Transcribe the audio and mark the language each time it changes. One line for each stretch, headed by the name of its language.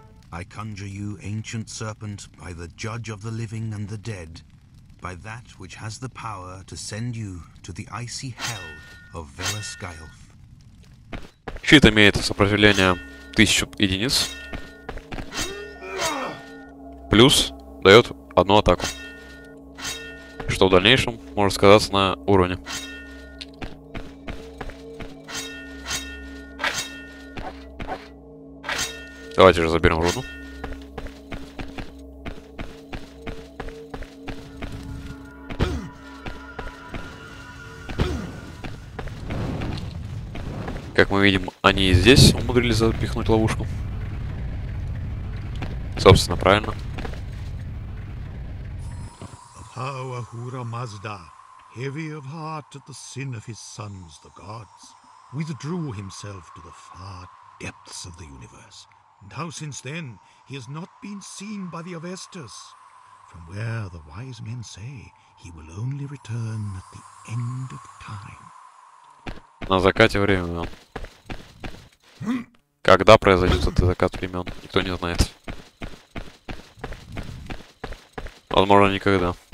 English: I conjure you, ancient serpent, by the judge of the living and the dead, by that which has the power to send you to the icy hell of Velas Gaelf.
Russian: Щит имеет сопротивление 1000 единиц. Плюс дает одну атаку. Что в дальнейшем может сказаться на уровне. Давайте же заберем руну. Как мы видим, они и здесь умудрились запихнуть ловушку. Собственно, правильно.
English: Ahura Mazda, heavy of heart at the sin of his sons, the gods, withdrew himself to the far depths of the universe. And how since then he has not been seen by the Avestas, from where the wise men say he will only return at the end of time.
Russian: На закате времен. Когда произойдет этот закат времен, никто не знает. Возможно, никогда.